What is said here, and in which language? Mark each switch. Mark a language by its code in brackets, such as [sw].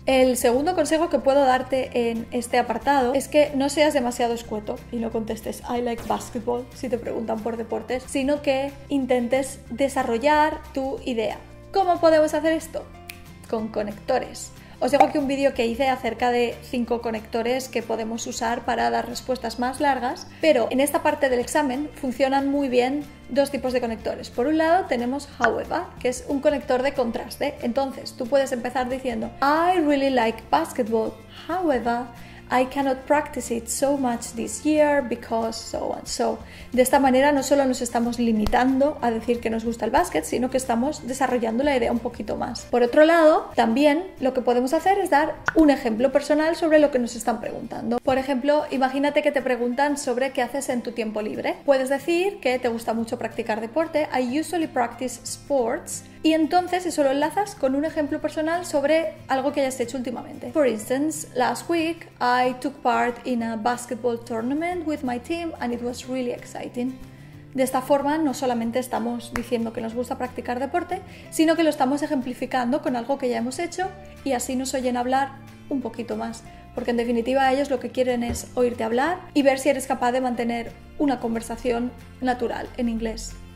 [es] El segundo consejo que puedo darte en este apartado es que no seas demasiado escueto y no contestes [en] I like basketball [es] si te preguntan por deportes, sino que intentes desarrollar tu idea. ¿Cómo podemos hacer esto? Con conectores. Os dejo aquí un vídeo que hice acerca de cinco conectores que podemos usar para dar respuestas más largas, pero en esta parte del examen funcionan muy bien dos tipos de conectores. Por un lado tenemos however, que es un conector de contraste. Entonces, tú puedes empezar diciendo [en] I really like basketball, however, I cannot practice it so much this year because so and so. [es] De esta manera no solo nos estamos limitando a decir que nos gusta el básquet, sino que estamos desarrollando la idea un poquito más. Por otro lado, también lo que podemos hacer es dar un ejemplo personal sobre lo que nos están preguntando. Por ejemplo, imagínate que te preguntan sobre qué haces en tu tiempo libre. Puedes decir que te gusta mucho practicar deporte. [en] I usually practice sports. [es] Y entonces eso lo enlazas con un ejemplo personal sobre algo que hayas hecho últimamente. [en] For instance, last week I took part in a basketball tournament with my team and it was really exciting. [es] De esta forma, no solamente estamos diciendo que nos gusta practicar deporte, sino que lo estamos ejemplificando con algo que ya hemos hecho y así nos oyen hablar un poquito más. Porque en definitiva, ellos lo que quieren es oírte hablar y ver si eres capaz de mantener una conversación natural en inglés.